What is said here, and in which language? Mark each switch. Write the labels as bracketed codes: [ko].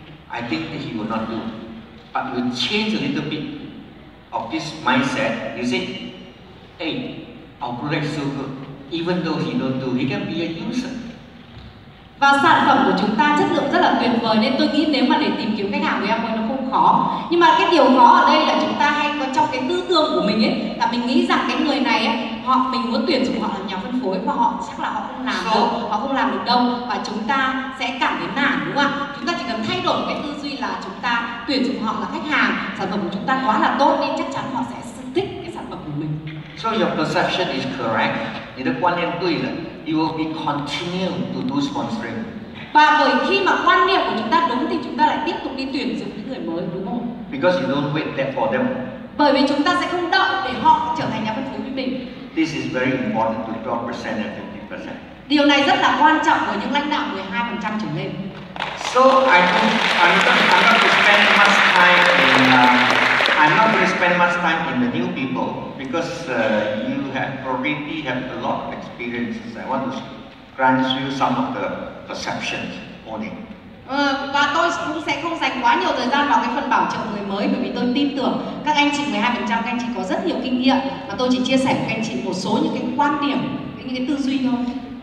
[en] I think that he will not do it. But we change a little bit of this mindset. You say, hey, our product is so good. Even though he don't do, he can be a user. [vi] Và sản phẩm của chúng ta chất lượng rất là tuyệt vời, nên tôi nghĩ nếu mà để tìm kiếm khách hàng với Amway nó không khó. Nhưng mà cái điều khó ở đây là chúng ta hay có trong cái tư tưởng của mình ấy, là mình nghĩ rằng cái người này ấy, họ mình muốn tuyển dụng họ làm nhà phân phối mà họ chắc là họ không làm được, họ không làm được đâu, và chúng ta sẽ cảm thấy nản, đúng không ạ? Chúng ta chỉ cần thay đổi cái tư duy là chúng ta tuyển dụng họ là khách hàng, sản phẩm của chúng ta quá là tốt nên chắc chắn họ sẽ thích cái sản phẩm của mình. [en] So your perception is correct. [vi] Thì cái quan niệm tôi là [en] you will be continue to do sponsoring. [vi] Và bởi khi mà quan niệm của chúng ta đúng thì chúng ta lại tiếp tục đi tuyển dụng những người mới, đúng không? [en] Because you don't wait there for them. [vi] Bởi vì chúng ta sẽ không đợi để họ trở thành nhà phân phối với mình. [en] This is very important to 12% and 15%. [vi] Điều này rất là quan trọng với những lãnh đạo 12% trở lên. [en] So I'm not going to spend much time in the new people because you have already have a lot of experiences. I want to grant you some of the perceptions on it. [vi] Và tôi cũng sẽ không dành quá nhiều thời gian vào cái phần bảo trợ người mới, bởi vì tôi tin tưởng các anh chị 12% các anh chị có rất nhiều kinh nghiệm, và tôi chỉ chia sẻ với các anh chị một số những cái quan điểm, những cái tư duy thôi.